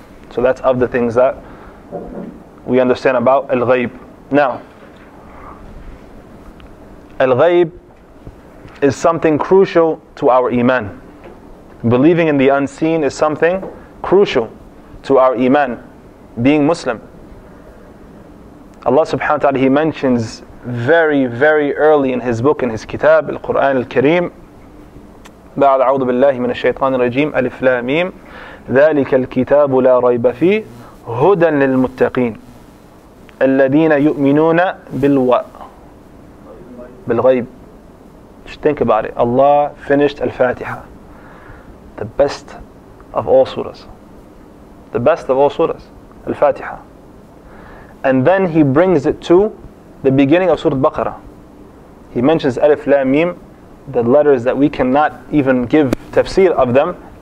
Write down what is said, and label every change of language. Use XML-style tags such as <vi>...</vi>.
<en>So that's of the things that we understand about al-ghayb. Now, al-ghayb is something crucial to our iman. Believing in the unseen is something crucial to our iman, being Muslim. Allah subhanahu wa ta'ala, He mentions very, very early in His book, in His kitab, al-Qur'an al-Kareem,</en> <ar>بعد عوض بالله من الشيطان الرجيم ألف لا ميم ذلك الكتاب لا ريب فيه هدى للمتقين الذين يؤمنون بالوا بالغيب.</ar> <en>Just think about it. Allah finished Al-Fatiha, the best of all surahs, the best of all surahs, Al-Fatiha, and then He brings it to the beginning of Surah Baqarah. He mentions Alif Lam Mim, the letters that we cannot even give tafsir of them.</en>